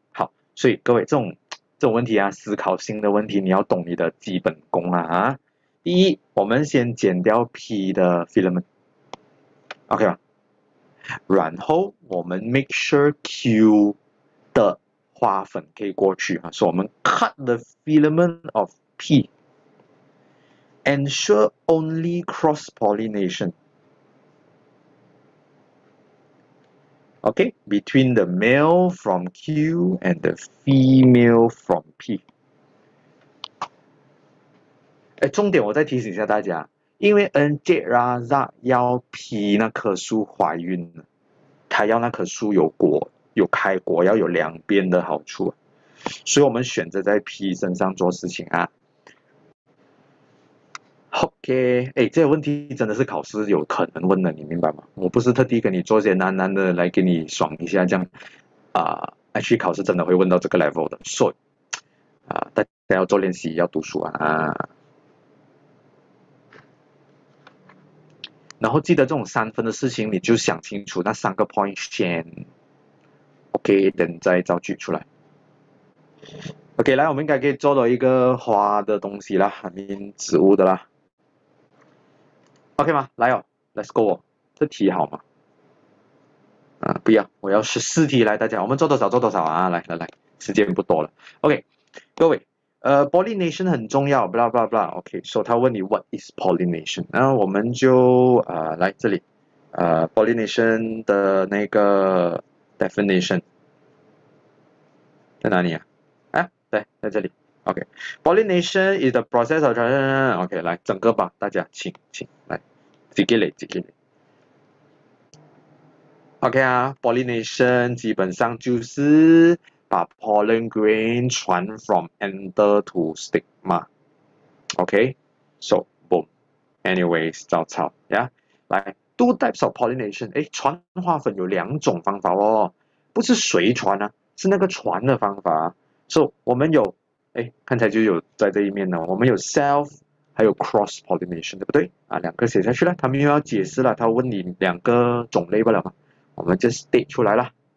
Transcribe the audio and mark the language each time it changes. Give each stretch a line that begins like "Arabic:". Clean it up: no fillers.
Chinese: 好，所以各位这种。这种问题啊，思考性的问题，你要懂你的基本功啊！第一，我们先剪掉 P 的 filament，OK 吧？然后我们 make sure Q 的花粉可以过去啊，所以我们
English: cut the filament of P, ensure only cross pollination. Okay, between the male from Q and the female from P.
Chinese: 哎，重点我再提醒一下大家，因为 NJ Raza 要 P 那棵树怀孕了，他要那棵树有果。有开果，要有两边的好处，所以我们选择在 P 身上做事情啊。 OK，哎，这个问题真的是考试有可能问的，你明白吗？我不是特地跟你做些难难的来给你爽一下，这样去考试真的会问到这个 level 的，所以大家要做练习，要读书啊。然后记得这种三分的事情，你就想清楚那三个 point 先。可以等再造句出来。OK，来，我们应该可以做到一个花的东西啦，植物的啦。 OK 吗？来哦，
English: Let's go
Chinese: 哦。这题好吗？不要，我要14题。来，大家，我们做多少做多少啊？来来来，时间不多了。 OK，各位，pollination 很重要，blah blah blah。
English: OK，so
Chinese: 他问你
English: what is pollination？
Chinese: 然后我们就来这里，pollination 的那个 definition。在哪里啊？对，在这里。
English: OK，pollination is the process of transition。
Chinese: OK，来，整个吧，大家请来，几个嘞，几个嘞。
English: OK 啊，pollination
Chinese: 基本上就是把
English: pollen grain 传 from anther to stigma。 OK，so boom，anyways，
Chinese: 照抄呀。
English: 来，two types of pollination。
Chinese: 哎，传花粉有两种方法哦，不是谁传啊？是那个传的方法，所以我们有，哎，刚才就有在这一面呢。我们有 self，还有 cross pollination，对不对？两个写下去了，他们又要解释了，他问你两个种类罢了嘛，我们就 state 出来了。